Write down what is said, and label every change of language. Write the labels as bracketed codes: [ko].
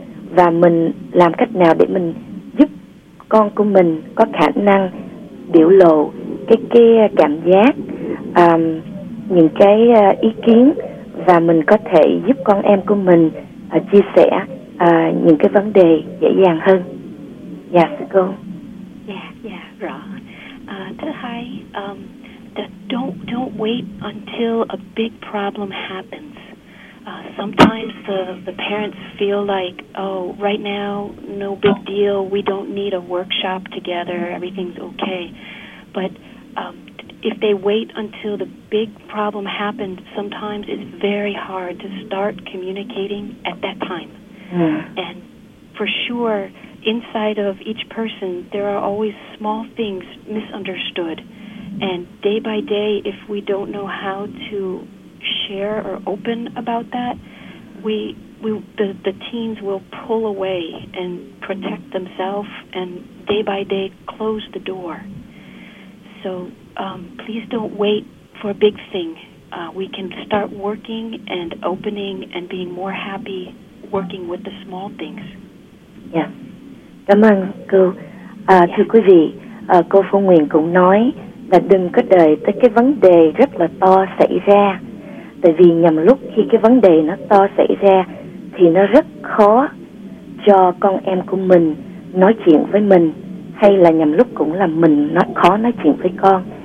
[vi] Và mình làm cách nào để mình giúp con của mình có khả năng biểu lộ cái cảm giác những cái ý kiến và mình có thể giúp con em của mình chia sẻ những cái vấn đề dễ dàng hơn. Dạ, sư cô. Rõ. Thứ hai, [en] don't wait until a big problem happens. Sometimes the parents feel like, oh, right now, no big deal. We don't need a workshop together. Everything's okay. But if they wait until the big problem happens, sometimes it's very hard to start communicating at that time. Mm. And for sure, inside of each person, there are always small things misunderstood. And day by day, if we don't know how to share or open about that, the teens will pull away and protect themselves and day by day close the door. So please don't wait for a big thing. We can start working and opening and being more happy working with the small things. Yeah. [vi] Cảm ơn cô. Thưa quý vị, cô Phương Nguyễn cũng nói là đừng có đợi tới cái vấn đề rất là to xảy ra. Tại vì nhầm lúc khi cái vấn đề nó to xảy ra thì nó rất khó cho con em của mình nói chuyện với mình, hay là nhầm lúc cũng là mình nói khó nói chuyện với con.